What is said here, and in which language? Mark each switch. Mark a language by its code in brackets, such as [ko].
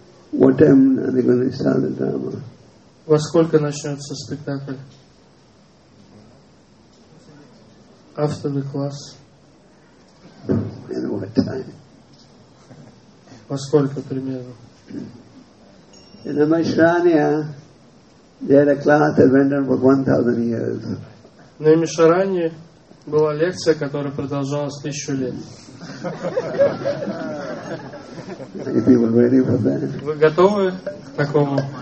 [en] What time are they going to start the drama? [ru] Во сколько начнется спектакль? [en] After the class. At what time? [ru] Во сколько примерно? [en] In the Майшраня, they had a class that went on for 1,000 years. [ru] На Майшраня была лекция, которая продолжалась 1,000 лет. Вы готовы к такому?